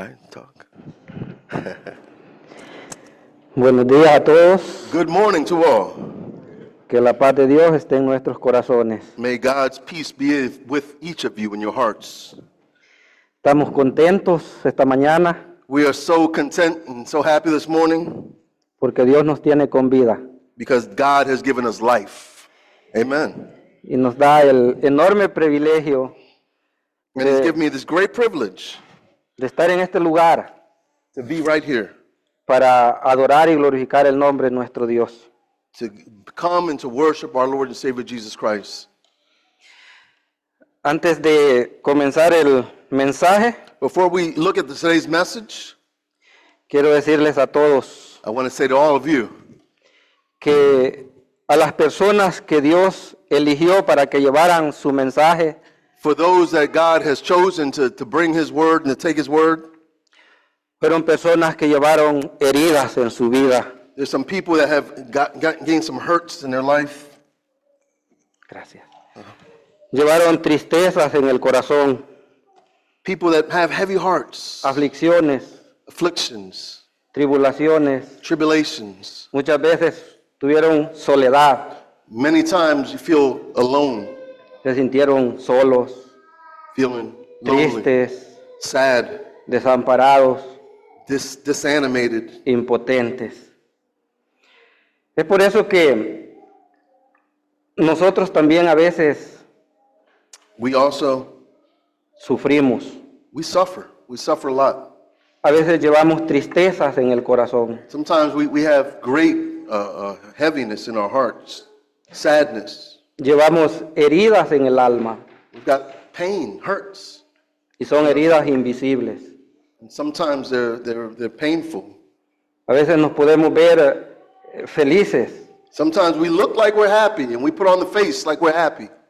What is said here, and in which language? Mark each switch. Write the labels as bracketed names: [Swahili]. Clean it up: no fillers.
[English] Talk. [Spanish] Buenos días a todos. [English] Good morning to all. [Spanish] Que la paz de Dios esté en nuestros corazones. [English] May God's peace be with each of you in your hearts. [Spanish] Estamos contentos esta mañana. [English] We are so content and so happy this morning. [Spanish] Porque Dios nos tiene con vida. [English] Because God has given us life. Amen. [Spanish] Y nos da el enorme privilegio. [English] And he's given me this great privilege. [Spanish] De estar en este lugar. [English] To be right here. [Spanish] Para adorar y glorificar el nombre de nuestro Dios. [English] To come and to worship our Lord and Savior Jesus Christ. [Spanish] Antes de comenzar el mensaje, [English] before we look at today's message, [Spanish] quiero decirles a todos, [English] I want to say to all of you, [Spanish] que a las personas que Dios eligió para que llevaran su mensaje, [English] for those that God has chosen to bring his word and to take his word, [Spanish] fueron personas que llevaron heridas en su vida. [English] There's some people that have gained some hurts in their life. [Spanish] Gracias. Llevaron tristezas en el corazón. [English] People that have heavy hearts. [Spanish] Aflicciones. [English] Afflictions. [Spanish] Tribulaciones. [English] Tribulations. [Spanish] Muchas veces tuvieron soledad. [English] Many times you feel alone. [Spanish] Se sintieron solos. [English] Feeling lonely. [Spanish] Tristes. [English] sad, [Spanish] desamparados, [English] disanimated, [Spanish] impotentes. Es por eso que nosotros también a veces [English] we also [Spanish] sufrimos. [English] We suffer a lot. [Spanish] A veces llevamos tristezas en el corazón. [English] Sometimes we have great heaviness in our hearts, sadness. [Spanish] Llevamos heridas en el alma. [English] We've got pain, hurts. [Spanish] Y son heridas invisibles. [English] And sometimes they're painful. [Spanish] A veces nos podemos ver felices. [English] Sometimes we look like we're happy and we put on the face like we're happy.